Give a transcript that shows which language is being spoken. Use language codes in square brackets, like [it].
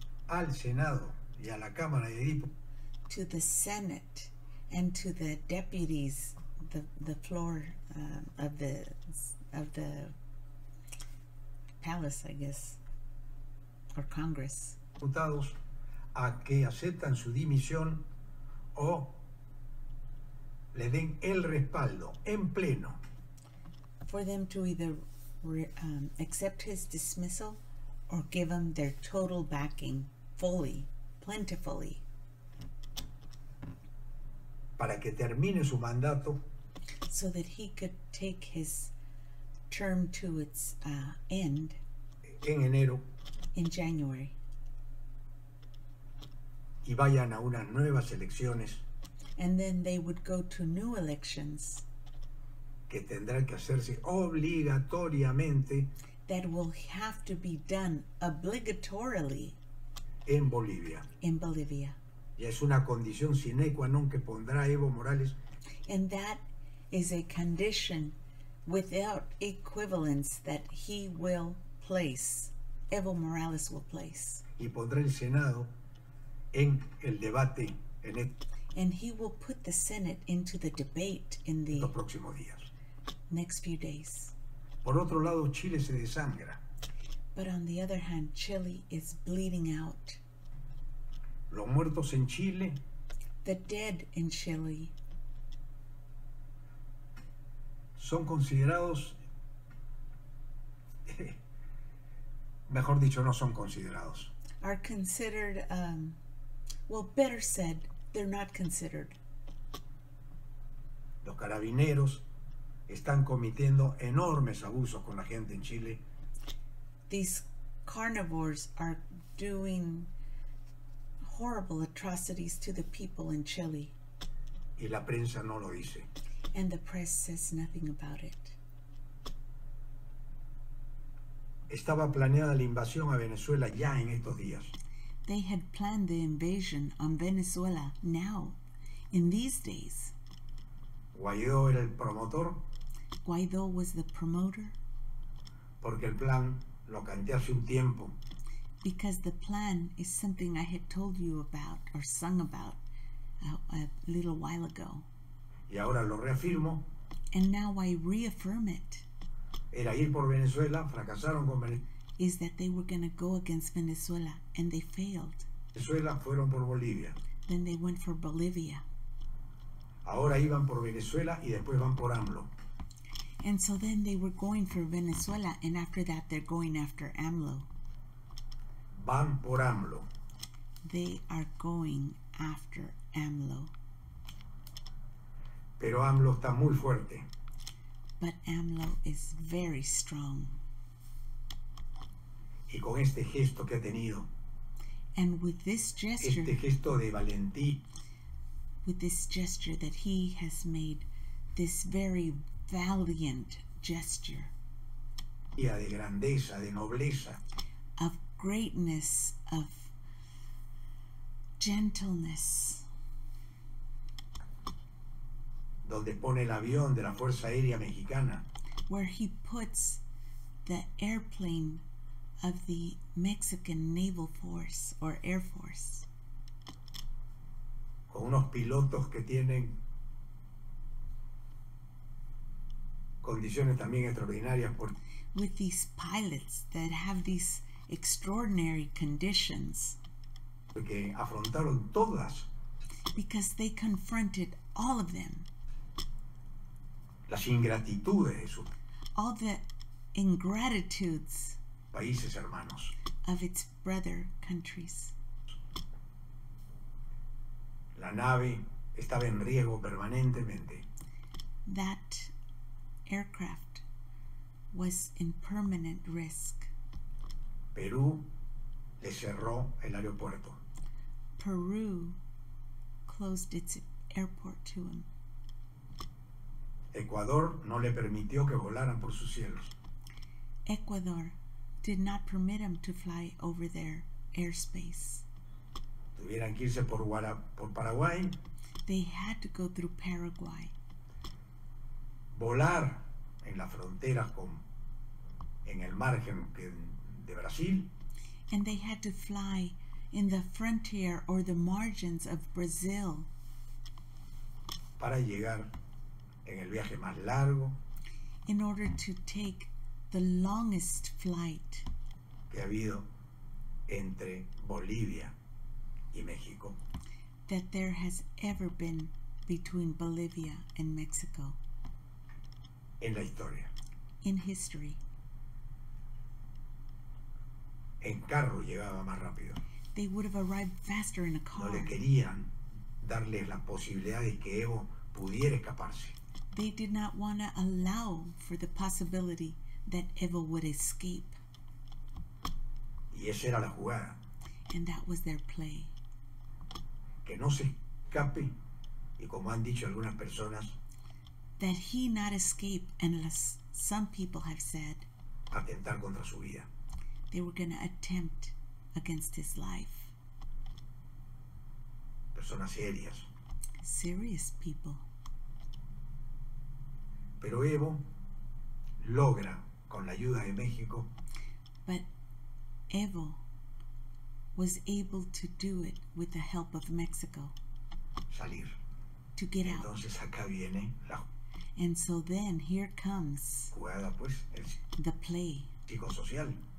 [es] Al Senado y a la Cámara de Diputados. [en] To the Senate and to the deputies, the floor of the palace, I guess, or Congress. [es] Diputados a que aceptan su dimisión o le den el respaldo en pleno. [en] For them to either accept his dismissal or give him their total backing, fully, plentifully. [es] Para que termine su mandato. [en] So that he could take his term to its end. [es] En enero. [en] In January. [es] Y vayan a unas nuevas elecciones. [en] And then they would go to new elections. [es] Que tendrán que hacerse obligatoriamente. [en] That will have to be done obligatorily. [es] En Bolivia. [en] In Bolivia. [es] Y es una condición sine qua non que pondrá Evo Morales. [en] And that is a condition without equivalence that he will place, Evo Morales will place. [es] Y pondrá el Senado en el debate. En el, [en] and he will put the Senate into the debate in the [es] los próximos días. [en] Next few days. [es] Por otro lado, Chile se desangra. [en] But on the other hand, Chile is bleeding out. [es] Los muertos en Chile. [en] The dead in Chile. [es] Son considerados. Mejor dicho, no son considerados. [en] Are considered. Well, better said, they're not considered. [es] Los carabineros están cometiendo enormes abusos con la gente en Chile. [en] These carnivores are doing horrible atrocities to the people in Chile. [es] Y la prensa no lo dice. [en] And the press says nothing about it. [es] Estaba planeada la invasión a Venezuela ya en estos días. [en] They had planned the invasion on Venezuela now, in these days. [es] Guaidó era el promotor. [en] Guaidó was the promoter. [es] Porque el plan lo canté hace un tiempo. [en] Because the plan is something I had told you about or sung about a little while ago. [es] Y ahora lo reafirmo. [en] And now I reaffirm it. [es] Era ir por Venezuela, fracasaron con Venezuela. [en] Is that they were going to go against Venezuela and they failed. [es] Venezuela fueron por Bolivia. [en] Then they went for Bolivia. [es] Ahora iban por Venezuela y después van por AMLO. [en] And so then they were going for Venezuela and after that they're going after AMLO. [es] Van por AMLO. [en] They are going after AMLO. [es] Pero AMLO está muy fuerte. [en] But AMLO is very strong. [es] Y con este gesto que ha tenido. [en] And with this gesture. [es] Este gesto de valentía. [en] With this gesture that he has made. This very valiant gesture. [es] Y de grandeza, de nobleza. [en] Of greatness, of gentleness. [es] Donde pone el avión de la Fuerza Aérea Mexicana. [en] Where he puts the airplane of the Mexican Naval Force or Air Force. [es] Con unos pilotos que tienen condiciones también extraordinarias. Por [en] with these pilots that have these extraordinary conditions. [es] Porque afrontaron todas. [en] Because they confronted all of them. [es] Las ingratitudes de sus. [en] All the ingratitudes. [es] Países hermanos. [en] Of its brother countries. [es] La nave estaba en riesgo permanentemente. [en] That aircraft was in permanent risk. [es] Perú le cerró el aeropuerto. [en] Peru closed its airport to him. [es] Ecuador no le permitió que volaran por sus cielos. [en] Ecuador did not permit him to fly over their airspace. [es] Tuvieran que irse por Paraguay. [en] They had to go through Paraguay. [es] Volar en la frontera con en el margen de Brasil. [en] And they had to fly in the frontier or the margins of Brazil. [es] Para llegar en el viaje más largo. [en] In order to take the longest flight. [es] Que ha habido entre Bolivia y México. [en] That there has ever been between Bolivia and Mexico. [es] En la historia. [en] In history. [es] En carro llegaba más rápido. [en] They would have arrived faster in a car. [es] No le querían darle la posibilidad de que Evo pudiera escaparse. [en] They did not want to allow for the possibility that Evo would escape. [es] Y esa era la jugada. [en] And that was their play. [es] Que no se escape y como han dicho algunas personas. [en] That he not escape unless some people have said. [es] Atentar contra su vida. [en] They were going to attempt against his life. [es] Personas serias. [en] Serious people. [es] Pero Evo logra con la ayuda de México. [en] But Evo was able to do it with the help of Mexico. [es] Salir. [en] To get out. [es] Entonces acá viene la. [en] And so then here comes. [es] Jugada, pues, el [en] the play. [es] Psicosocial.